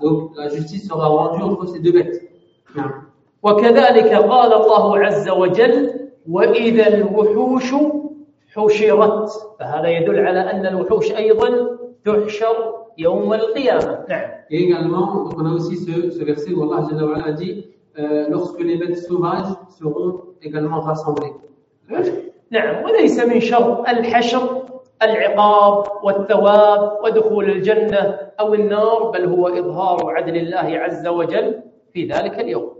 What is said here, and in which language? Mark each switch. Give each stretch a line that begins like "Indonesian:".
French: Donc la justice sera rendue entre ces deux bêtes.
Arabic: وكذلك قال الله عز وجل وإذا الوحوش حشرت فهذا يدل على أن الوحوش أيضا تحشر يوم القيامة.
French: Et également, donc on a aussi ce verset où Allah Azza wa Jal a dit lorsque les bêtes sauvages seront également rassemblées.
Arabic: نعم وليس من شر الحشر العقاب والثواب ودخول الجنة أو النار بل هو إظهار عدل الله عز وجل في ذلك اليوم.